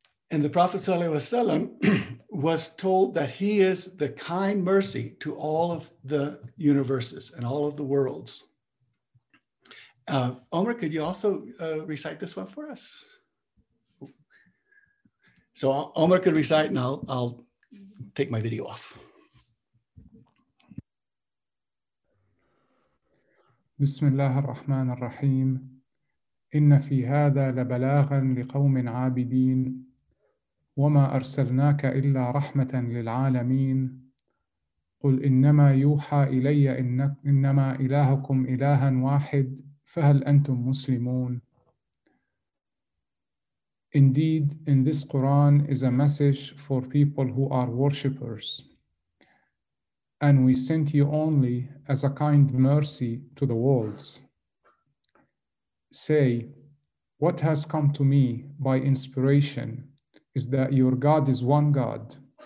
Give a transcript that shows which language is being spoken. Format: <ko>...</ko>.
<en>And the Prophet ﷺ was told that he is the kind mercy to all of the universes and all of the worlds. Omar, could you also recite this one for us? So Omar could recite and I'll take my video off.</en> <ar>بسم الله الرحمن الرحيم إن في هذا لبلاغا لقوم عابدين وما أرسلناك إلا رحمة للعالمين قل إنما يوحى إلي إنما إلهكم إله واحد فهل أنتم مسلمون</ar> <en>Indeed, in this Quran is a message for people who are worshippers. And we sent you only as a kind mercy to the worlds. Say, what has come to me by inspiration is that your God is one God.</en>